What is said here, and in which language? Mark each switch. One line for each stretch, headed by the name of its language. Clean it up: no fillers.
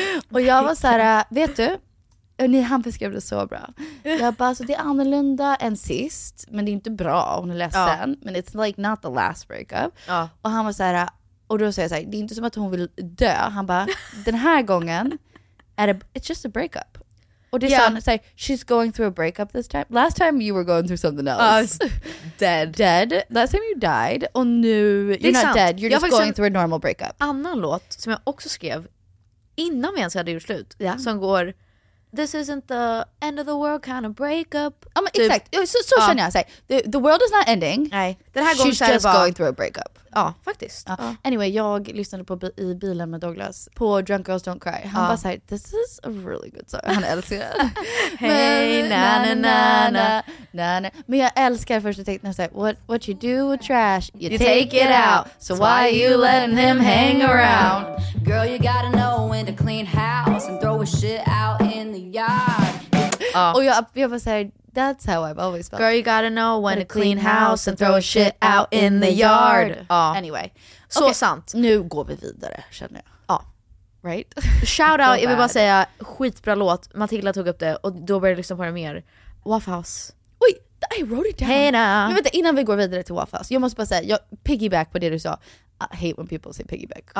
Swedish: Och jag var så här, vet du? Ni, han beskrev det så bra. Jag bara, alltså, det är annorlunda än sist. Men det är inte bra, hon är ledsen. Ja. Men
English: it's like not the last breakup.
Swedish: Ja. Och han var så här, och då säger jag så här, det är inte som att hon vill dö. Han bara, den här gången är det,
English: it's just a breakup.
Swedish: Och det är yeah. Så här,
English: she's going through a breakup this time. Last time you were going through something else. Dead. Last time you died.
Swedish: Och nu,
English: you're not sant. Dead. You're just going through a normal breakup.
Swedish: Annan låt som jag också skrev innan vi ens hade gjort slut.
English: Yeah.
Swedish: Som går,
English: this isn't the end of the world kind of breakup.
Swedish: Typ. Exakt, så känner jag.
English: Say, the world is not ending.
Swedish: Nej. Den här gången
English: she's just
Swedish: bara
English: going through a breakup.
Swedish: Ja, faktiskt. Ja. Anyway, jag lyssnade på i bilen med Douglas på Drunk Girls Don't Cry. Han bara såhär,
English: this is a really good song.
Swedish: Han älskar hey, na, na, na, na, na, na. Men jag älskar först att tänka såhär,
English: what you do with trash, you take it out. So why are you letting him hang around? Girl, you gotta know when to clean house and throw a shit out in the yard.
Swedish: Och jag bara såhär,
English: that's how I've always felt. Girl, you gotta know when to clean house and throw a shit out in the yard. Anyway.
Swedish: Så okay, sant. Nu går vi vidare, känner jag. Ja.
English: Right?
Swedish: Shout out, jag vill bara säga, skitbra låt. Matilda tog upp det och då började jag lyssna på det mer.
English: Waffle House.
Swedish: Oj,
English: I wrote it down. Hey, nah.
Swedish: Men vänta, innan vi går vidare till Waffle House. Jag måste bara säga, jag piggyback på det du sa.
English: I hate when people say piggyback.